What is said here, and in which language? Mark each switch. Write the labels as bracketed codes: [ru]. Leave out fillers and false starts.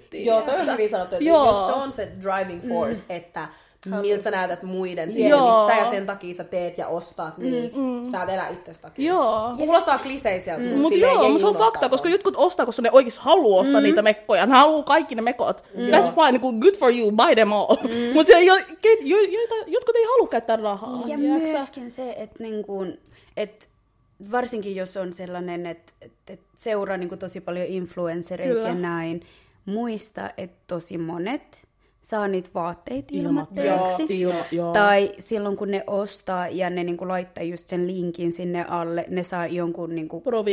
[fi] Tiiäksä. Joo, toi on hyvin sanottu, että jos se on se [en] driving force, [fi] että... Miltä sä näytät muiden siellä, missä ja sen takia sä teet ja ostat, niin sä et elä itsestä takia. Joo. Kuulostaa kliseisiä, mutta se on fakta, koska jotkut ostaa, koska ne oikeasti haluaa ostaa niitä mekkoja. Ne haluaa kaikki ne mekot. Mm. [en] That's fine, [fi] niin kuin [en] good for you, buy them all. [fi] Mutta jotkut ei halua käyttää rahaa. Ja myöskin se, että niin kuin, varsinkin jos on sellainen, että seuraa niin kuin tosi paljon influenssereita ja näin, muista, että tosi monet... saa niitä vaatteet ilmatteeksi. Tai silloin, kun ne ostaa ja ne niinku laittaa just sen linkin sinne alle, ne saa jonkun niinku